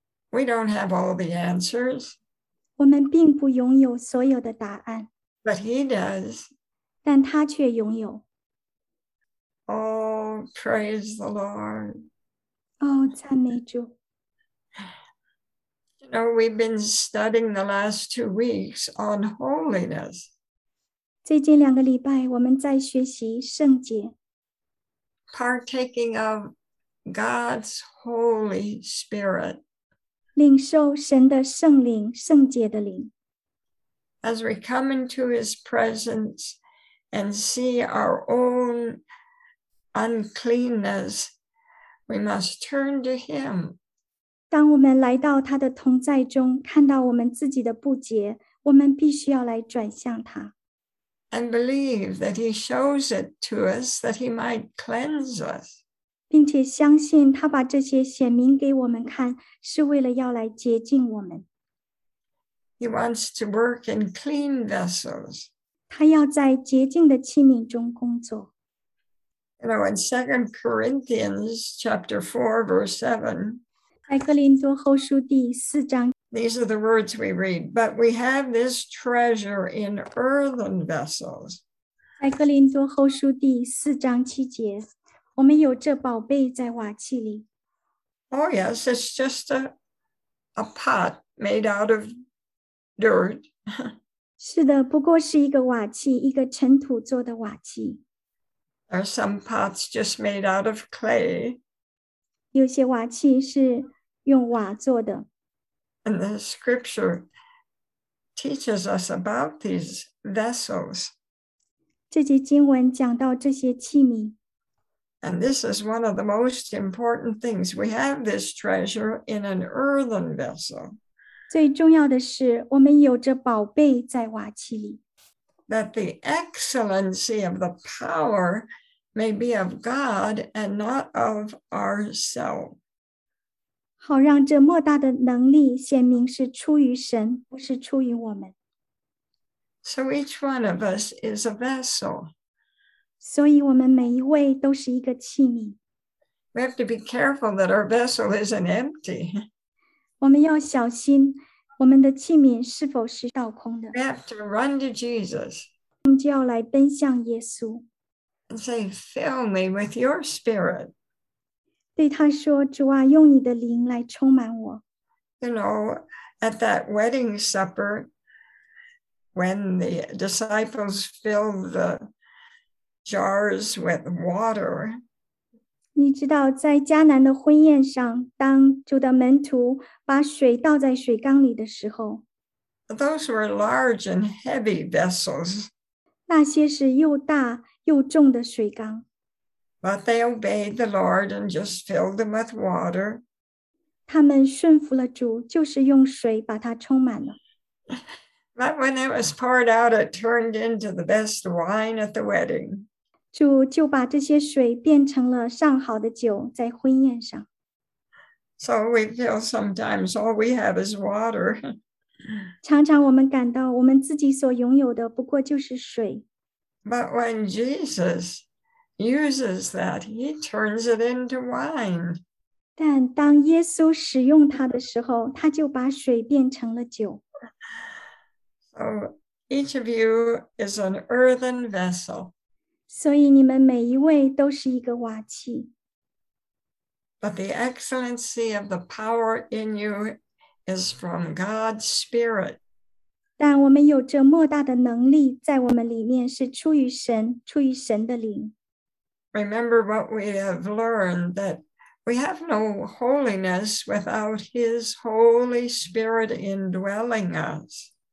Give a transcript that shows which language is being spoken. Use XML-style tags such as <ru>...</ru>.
<en>We don't have all the answers.</en> <zh>我们并不拥有所有的答案。</zh> <en>But he does.</en> <zh>但他却拥有。</zh> <en>Oh, praise the Lord.</en> <zh>哦，赞美主。</zh> <en>You know, we've been studying the last 2 weeks on holiness.</en> <zh>最近两个礼拜我们在学习圣洁。</zh> <en>Partaking of God's Holy Spirit.</en> <zh>领受神的圣灵，圣洁的灵。</zh> <en>As we come into his presence and see our own uncleanness, we must turn to him.</en> <zh>当我们来到他的同在中，看到我们自己的不洁，我们必须要来转向他。</zh> <en>And believe that he shows it to us that he might cleanse us.</en> <zh>并且相信他把这些显明给我们看，是为了要来洁净我们。</zh> <en>He wants to work in clean vessels.</en> <zh>他要在洁净的器皿中工作。</zh> <en>You know, in 2 Corinthians chapter 4, verse 7,</en> <zh>在哥林多后书第四章,</zh> <en>these are the words we read, but we have this treasure in earthen vessels.</en> <zh>在哥林多后书第四章七节, 我们有这宝贝在瓦器里。</zh> <en>Oh yes, it's just a pot made out of dirt.</en> <zh>是的，不过是一个瓦器，一个尘土做的瓦器。</zh> <en>Are some pots just made out of clay?</en> <zh>有些瓦器是用瓦做的。</zh> <en>And the scripture teaches us about these vessels.</en> <zh>这节经文讲到这些器皿。</zh> <en>And this is one of the most important things. We have this treasure in an earthen vessel.</en> <zh>最重要的是，我们有着宝贝在瓦器里。</zh> <en>That the excellency of the power may be of God and not of ourselves.</en> <zh>好让这莫大的能力显明是出于神，不是出于我们。</zh> <en>So each one of us is a vessel.</en> <zh>所以我们每一位都是一个器皿。</zh> <en>We have to be careful that our vessel isn't empty.</en> <zh>我们要小心我们的器皿是否是倒空的。</zh> <en>We have to run to Jesus.</en> <zh>我们就要来奔向耶稣。</zh> <en>And say, fill me with your spirit.</en> <zh>对他说，主啊，用你的灵来充满我。</zh> <en>You know, at that wedding supper, when the disciples filled the jars with water.</en> <zh>你知道，在迦南的婚宴上，当主的门徒把水倒在水缸里的时候。</zh> <en>Those were large and heavy vessels.</en> <zh>那些是又大又重的水缸。</zh> <en>But they obeyed the Lord and just filled them with water.</en> <zh>他们顺服了主，就是用水把它充满了。</zh> <en>But when it was poured out, it turned into the best wine at the wedding.</en> <zh>主就把这些水变成了上好的酒，在婚宴上。</zh> <en>So we feel sometimes all we have is water.</en> <zh>常常我们感到我们自己所拥有的不过就是水。</zh> <en>But when Jesus uses that, he turns it into wine.</en> <zh>但当耶稣使用它的时候，他就把水变成了酒。</zh> <en>So each of you is an earthen vessel.</en> <zh>所以你们每一位都是一个瓦器。</zh> <en>But the excellency of the power in you is from God's Spirit.</en> <zh>但我们有着莫大的能力，在我们里面是出于神，出于神的灵。</zh> <en>Remember what we have learned, that we have no holiness without His Holy Spirit indwelling us.</en>